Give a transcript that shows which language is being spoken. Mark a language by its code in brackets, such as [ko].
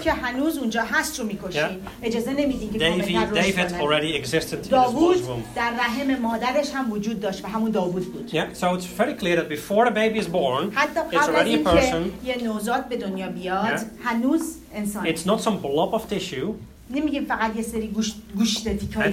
[fa] که هنوز اونجا هست رو میکشی. Yeah. اجازه نمیدین که کامل نروش کنه. [en] David already existed in his mother's womb. [fa] داوود در رحم مادرش هم وجود داشت و همون داوود بود. [en] Yeah. So it's very clear that before the baby is born, it's already a person. [fa] حتی قبل از اینکه یه نوزاد به دنیا بیاد هنوز انسان. [en] It's not some blob of tissue. [fa] نمیگیم فقط یه سری گوشت دیکاری.